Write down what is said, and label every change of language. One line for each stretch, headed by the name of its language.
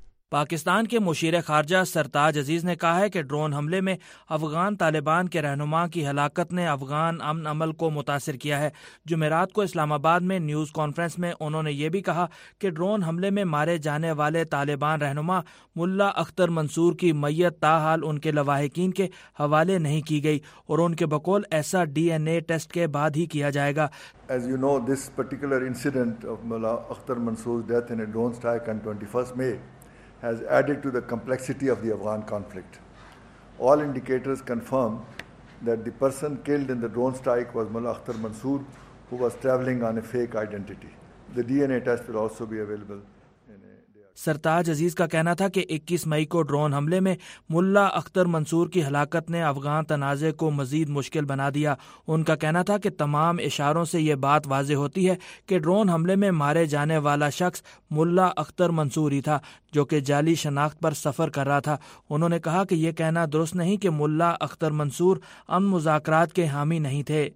Urdu: پاکستان کے مشیر خارجہ سرتاج عزیز نے کہا ہے کہ ڈرون حملے میں افغان طالبان کے رہنما کی ہلاکت نے افغان امن عمل کو متاثر کیا ہے۔ جمعرات کو اسلام آباد میں نیوز کانفرنس میں انہوں نے یہ بھی کہا کہ ڈرون حملے میں مارے جانے والے طالبان رہنما ملا اختر منصور کی میت تاحال ان کے لواحقین کے حوالے نہیں کی گئی، اور ان کے بقول ایسا ڈی این اے ٹیسٹ کے بعد ہی کیا جائے گا۔
English: As you know, this particular incident of Mullah Akhtar Mansoor's death in a drone strike on 21st May has added to the complexity of the Afghan conflict. All indicators confirm that the person killed in the drone strike was Mullah Akhtar Mansoor, who was traveling on a fake identity. The DNA test will also be available.
Urdu: سرتاج عزیز کا کہنا تھا کہ 21 مئی کو drone حملے میں ملا اختر منصور کی ہلاکت نے افغان تنازع کو مزید مشکل بنا دیا۔ ان کا کہنا تھا کہ تمام اشاروں سے یہ بات واضح ہوتی ہے کہ ڈرون حملے میں مارے جانے والا شخص ملا اختر منصور ہی تھا، جو کہ جعلی شناخت پر سفر کر رہا تھا۔ انہوں نے کہا کہ یہ کہنا درست نہیں کہ ملا اختر منصور امن مذاکرات کے حامی نہیں تھے۔